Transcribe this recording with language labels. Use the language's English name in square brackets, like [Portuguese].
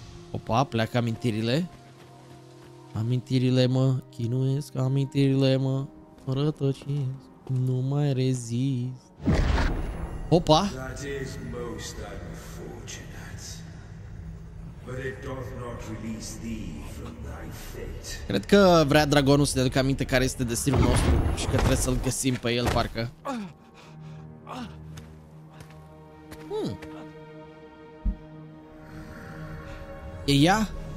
[Romanian] Opa, pleacă amintirile. Amintirile mă chinuiesc, amintirile mă rătăcesc. Nu mai rezist. Opa. [English] That is most unfortunate. But it doth not release thee from thy fate. [Romanian] Cred că vrea dragonul să ne aducă aminte care este destinul nostru și că trebuie să-l găsim pe el parcă. E ea?